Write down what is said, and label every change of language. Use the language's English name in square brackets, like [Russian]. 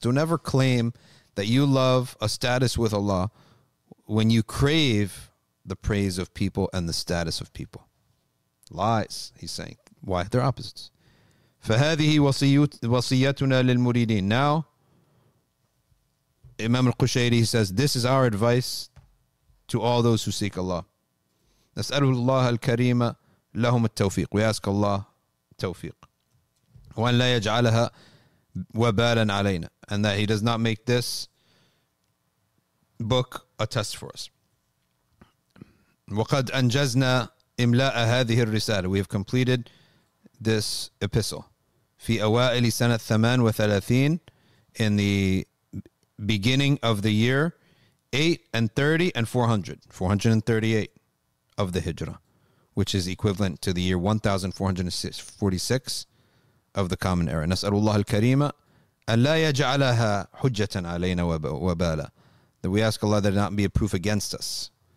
[English] Do never claim that you love a status with Allah when you crave the praise of people and the status of people. Lies, he's saying. Why? They're opposites. [Arabic] فَهَذِهِ وَصِيَّتُنَا لِلْمُرِيدِينَ. [English] Now, Imam al-Qushayri says, this is our advice to all those who seek Allah. [Arabic] نسأله الله الكريم لهم التوفيق. [English] We ask Allah التوفيق. [Arabic] وأن لا يجعلها وبالا علينا. [English] And that he does not make this book a test for us. [Arabic] وقد أنجزنا إملاء هذه الرسالة. [English] We have completed this epistle. [Arabic] في أوائل سنة 38 [English] in the beginning of the year 438 of the Hijrah, which is equivalent to the year 1446 of the Common Era. [Arabic] نسأل الله الكريم أن لا يجعلها حجة علينا وبالا. [English] That we ask Allah that it not be a proof against us.